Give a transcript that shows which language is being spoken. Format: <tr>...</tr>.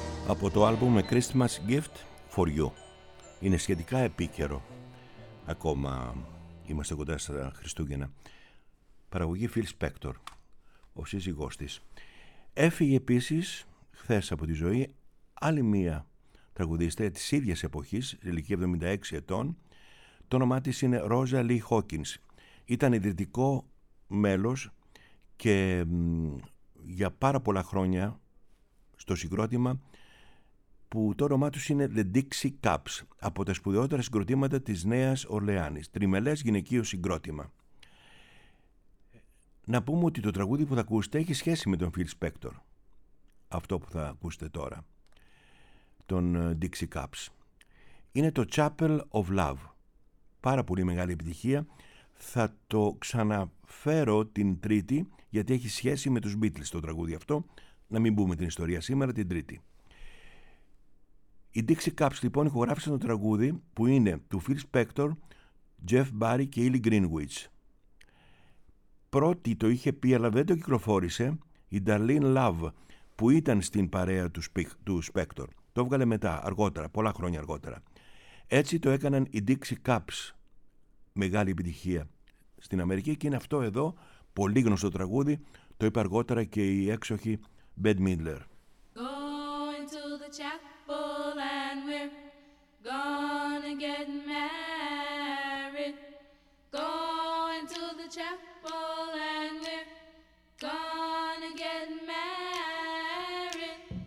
<el>από το άλμπουμ A Christmas Gift For You. Είναι σχετικά επίκαιρο, ακόμα είμαστε κοντά στα Χριστούγεννα. Παραγωγή Phil Spector, ο σύζυγός της. Έφυγε επίσης χθες από τη ζωή άλλη μία τραγουδίστρια της ίδιας εποχής, ηλικία 76 ετών. Το όνομά της είναι Rosa Lee Hawkins. Ήταν ιδρυτικό μέλος και για πάρα πολλά χρόνια στο συγκρότημα που το όνομά τους είναι The Dixie Cups, από τα σπουδαιότερα συγκροτήματα της Νέας Ορλεάνης. Τριμελές γυναικείο συγκρότημα. Να πούμε ότι το τραγούδι που θα ακούσετε έχει σχέση με τον Phil Spector, αυτό που θα ακούσετε τώρα, τον Dixie Cups. Είναι το Chapel of Love. Πάρα πολύ μεγάλη επιτυχία. Θα το ξαναφέρω την Τρίτη, γιατί έχει σχέση με τους Beatles το τραγούδι αυτό. Να μην πούμε την ιστορία σήμερα, την Τρίτη. Οι Dixie Cups λοιπόν ηχογράφησαν το τραγούδι που είναι του Phil Spector, Jeff Barry και Illy Greenwich. Πρώτη το είχε πει, αλλά δεν το κυκλοφόρησε, η Darlene Love, που ήταν στην παρέα του Spector. Το έβγαλε μετά, αργότερα, πολλά χρόνια αργότερα. Έτσι το έκαναν οι Dixie Cups, μεγάλη επιτυχία στην Αμερική, και είναι αυτό εδώ, πολύ γνωστό τραγούδι, το είπε αργότερα και η έξοχη Bette Midler.</el> <en>Going to the chapel and we're gonna get married. Going to the chapel and we're gonna get married.</en>